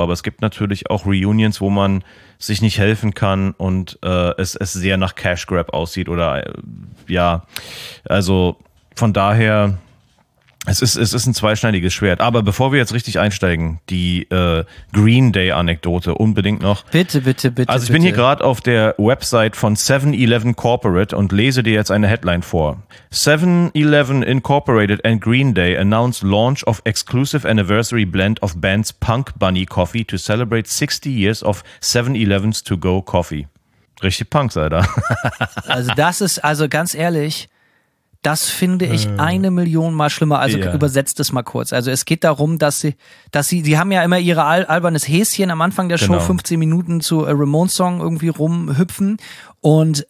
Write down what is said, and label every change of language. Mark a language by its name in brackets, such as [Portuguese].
[German] Aber es gibt natürlich auch Reunions, wo man sich nicht helfen kann und es sehr nach Cash Grab aussieht oder ja, also von daher, es ist ein zweischneidiges Schwert. Aber bevor wir jetzt richtig einsteigen, die Green Day Anekdote unbedingt noch. Bitte. Also ich bin hier gerade auf der Website von 7-Eleven Corporate und lese dir jetzt eine Headline vor. [English] 7-Eleven Incorporated and Green Day announced launch of exclusive anniversary blend of band's Punk Bunny Coffee to celebrate 60 years of 7-Eleven's To-Go Coffee. [German] Richtig Punks, Alter. Also das ist, also ganz ehrlich, das finde ich eine Million mal schlimmer. Also yeah. Übersetzt es mal kurz. Also es geht darum, dass sie haben ja immer ihre albernes Häschen am Anfang der Show, 15 Minuten zu A Ramones Song irgendwie rumhüpfen. Und